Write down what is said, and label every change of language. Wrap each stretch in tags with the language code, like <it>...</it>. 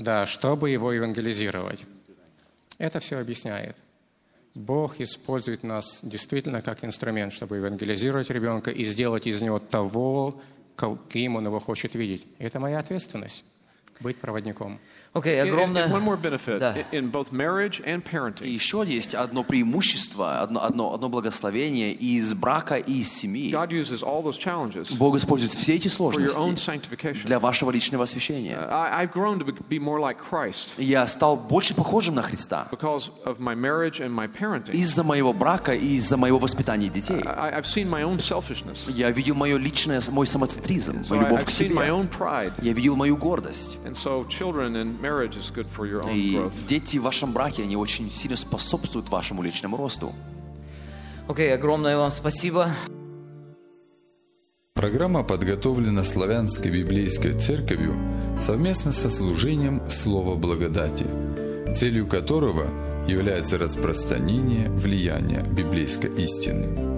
<ru>Да, чтобы его евангелизировать. Это все объясняет. Бог использует нас действительно как инструмент, чтобы евангелизировать ребенка и сделать из него того, каким он его хочет видеть. Это моя ответственность – быть проводником. Окей, огромное…</ru> <en>And one more benefit in both marriage and parenting.</en> <ru>И еще есть одно преимущество, одно благословение из брака и из семьи.</ru> <en>God uses all those challenges.</en> <ru>Бог использует все эти сложности для вашего личного освящения.</ru> <en>I've grown to be more like Christ.</en> <ru>Я стал больше похожим на Христа.</ru> <en>Because of my marriage and my parenting.</en> <ru>Из-за моего брака и из-за моего воспитания детей.</ru> <en>I've seen my own selfishness.</en> <ru>Я видел мой самоцентризм, мою любовь к себе.</ru> <en>I've seen my own pride.</en> <ru>Я видел мою гордость.</ru> <en>And so children and marriage is good for your own growth.</en> <ru>И дети в вашем браке, они очень сильно способствуют вашему личному росту. Окей, огромное вам спасибо. Программа подготовлена Славянской Библейской Церковью совместно со служением Слова Благодати, целью которого является распространение влияния библейской истины.</ru>